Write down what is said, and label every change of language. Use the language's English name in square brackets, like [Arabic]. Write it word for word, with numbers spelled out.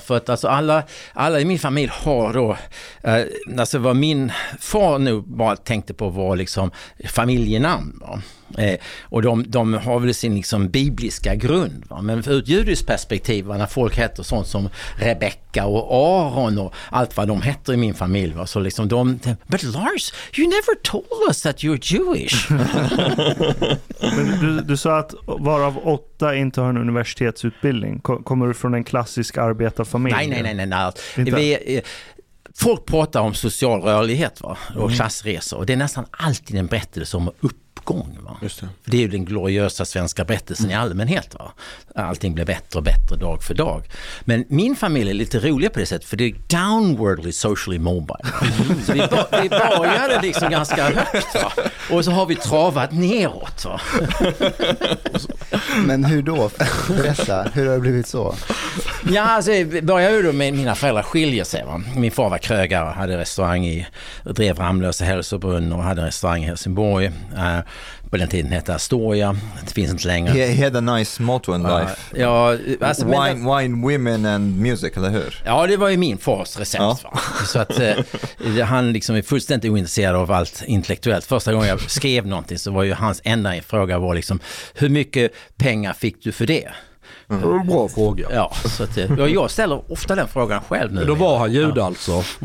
[Swedish] För att alltså alla, alla i min familj har då... Eh, alltså vad min far nu bara tänkte på var liksom familjenamn. Va? Eh, och de, de har väl sin liksom bibliska grund. Va? Men ur ett judiskt perspektiv, va, när folk heter sånt som Rebecca och Aaron och allt vad de heter i min familj. Va? Så liksom de... [English] But Lars, you never told us that you're Jewish. [Swedish] Men du, du sa att varav åtta inte har en universitetsutbildning. Kommer du från en klassisk arbetarfamilj? Nej, nej, nej. nej, nej. Vi, folk pratar om social rörlighet, va? Och mm. klassresor. Och det är nästan alltid en berättelse om uppgång. Va? Just det. För det är ju den gloriösa svenska berättelsen mm. i allmänhet. Va? Allting blir bättre och bättre dag för dag. Men min familj är lite rolig på det sättet, för det är [English] downwardly socially mobile. [Swedish] Mm. Så vi, vi började liksom ganska högt, va? Och så har vi travat neråt. Va? Men hur då? Berätta, hur har det blivit så? Ja, alltså började ju då med mina föräldrar skiljer sig. Va? Min far var krögare och hade restaurang i, drev Ramlösa hälsobrunn och hade restaurang i Helsingborg. Uh, på den tiden hette Astoria. Det finns inte längre. [English] He, he had a nice motto in life. [Swedish] Uh, ja, alltså, [English] wine, men, wine, women and music, [Swedish] eller hur? Ja, det var ju min fars recept. Ja. Va? Så att uh, han liksom är fullständigt ointresserad av allt intellektuellt. Första gången jag skrev någonting så var ju hans enda fråga var liksom, hur mycket pengar fick du för det? Mm. Bra fråga. Ja, så att, ja, jag ställer ofta den frågan själv nu. Då var han jude, ja. Alltså.